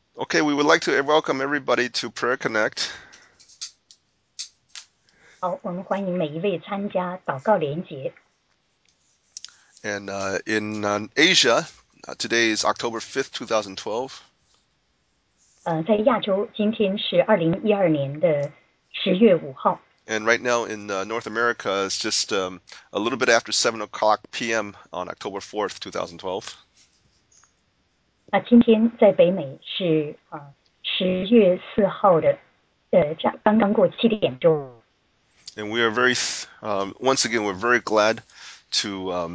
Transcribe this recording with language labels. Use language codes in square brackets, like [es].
[en] Okay, we would like to welcome everybody to Prayer Connect. [zh] 好，我们欢迎每一位参加祷告连结。 [en] And in Asia, today is October 5th, 2012. [zh] 在亚洲，今天是2012年的10月5号。 [en] And right now in North America, it's just a little bit after 7 o'clock p.m. on October 4th, 2012. [zh] 那今天在北美是10月4号的，刚刚过7点钟。 [en] And we are very, once again, we're very glad to.